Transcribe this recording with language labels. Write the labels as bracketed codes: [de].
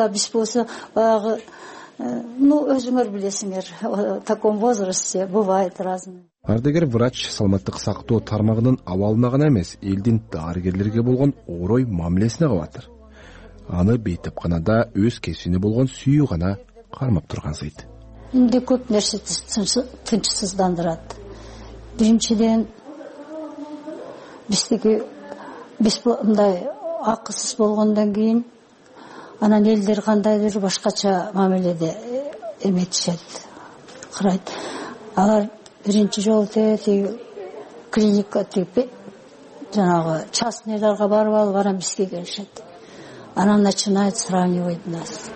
[ky] А биз болсо баягы өзүңөр билесиңер, [ru] в таком возрасте бывает разное. [ky] Ардыгер врач саламаттык сактоо тармагынын абалына гана эмес, элдин дарыгерлерге болгон орой мамилесине кабатыр. Аны бейтапканада өз кесибине болгон сүйүү гана кармап тургансыйт. Эмне көп нерсе тынчсыздандырат. Биринчиден биз мындай акысыз болгондон кийин анан элдер кандайдыр башкача мамиледе эметишет, карайт. Алар биринчи жолу тиги клиника тигип жанагы частныйларга барып алып анан бизге келишет. [ru] Анан начинают сравнивать нас.